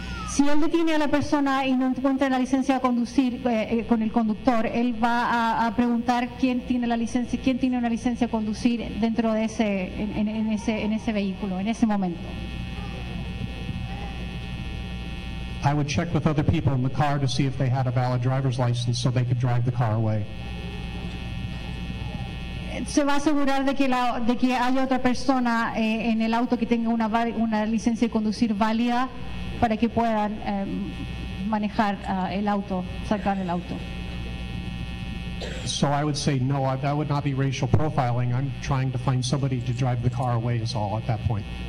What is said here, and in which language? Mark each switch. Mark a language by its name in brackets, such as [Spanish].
[Spanish] Si él detiene a la persona y no encuentra la licencia de conducir con el conductor, él va a preguntar quién tiene la licencia, quién tiene una licencia de conducir dentro de ese, en ese vehículo, en ese momento. [English] I would check with other people in the car to see if they had a valid driver's license so they could drive the car away. [Spanish] Se va a asegurar de que haya otra persona en el auto que tenga una licencia de conducir válida para que puedan manejar el auto, sacar el auto. [English] So I would say no, that would not be racial profiling. I'm trying to find somebody to drive the car away is all at that point.